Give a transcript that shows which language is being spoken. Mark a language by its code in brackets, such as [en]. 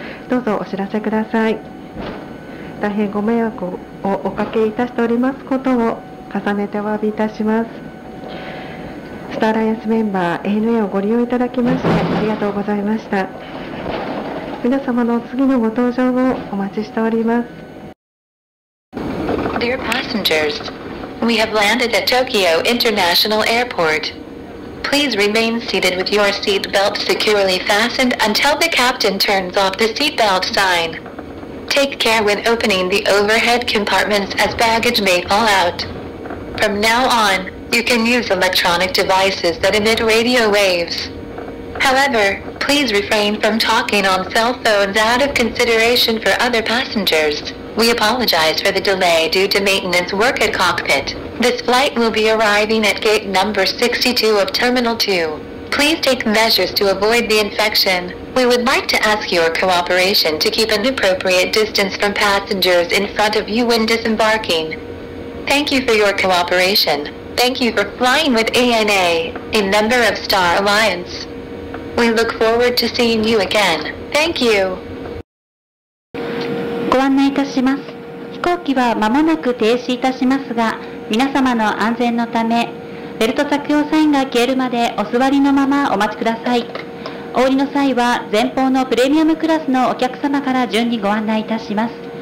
[ja] どうぞお知らせください。大変ご迷惑をおかけいたしておりますことを重ねてお詫びいたします。スターアライアンスメンバー ANA をご利用いただきましてありがとうございました。皆様の次のご搭乗をお待ちしております。 [en] Dear passengers, we have landed at Tokyo International AirportPlease remain seated with your seat belt securely fastened until the captain turns off the seat belt sign. Take care when opening the overhead compartments as baggage may fall out. From now on, you can use electronic devices that emit radio waves. However, please refrain from talking on cell phones out of consideration for other passengers. We apologize for the delay due to maintenance work at cockpit. This flight will be arriving at gate number 62 of Terminal 2. Please take measures to avoid the infection. We would like to ask your cooperation to keep an appropriate distance from passengers in front of you when disembarking. Thank you for your cooperation. Thank you for flying with ANA, a member of Star Alliance. We look forward to seeing you again. Thank you. [ja] ご案内いたします。飛行機は間もなく停止いたしますが、皆様の安全のため、ベルト着用サインが消えるまでお座りのままお待ちください。お降りの際は前方のプレミアムクラスのお客様から順にご案内いたします。